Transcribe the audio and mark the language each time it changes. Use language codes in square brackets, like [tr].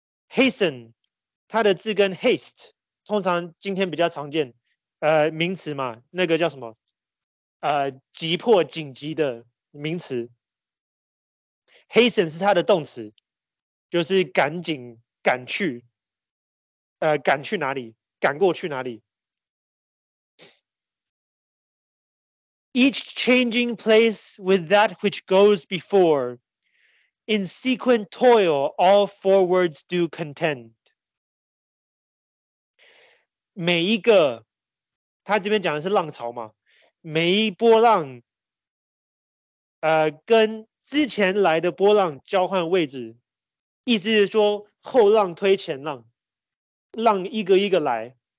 [zh] Hasten， 它的字根 haste， 通常今天比较常见，名词嘛，那个叫什么？急迫、紧急的名词。Hasten 是它的动词。就是赶紧赶去，赶去哪里？赶过去哪里 ？ [en] Each changing place with that which goes before, in sequent toil all forwards do contend. [zh] 每一个，他这边讲的是浪潮嘛？每一波浪，跟之前来的波浪交换位置。意思是说，后浪推前浪，浪一个一个来。